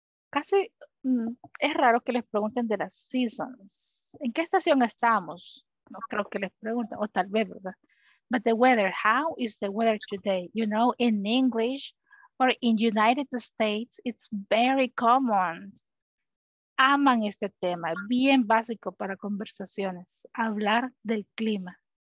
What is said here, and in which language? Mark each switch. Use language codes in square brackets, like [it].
[es] Casi es raro que les pregunten de las seasons. ¿En qué estación estamos? No creo que les pregunten, o tal vez, ¿verdad? [en] But the weather, how is the weather today? You know, in English, or in United States, it's very common. [es] Aman este tema, bien básico para conversaciones, hablar del clima.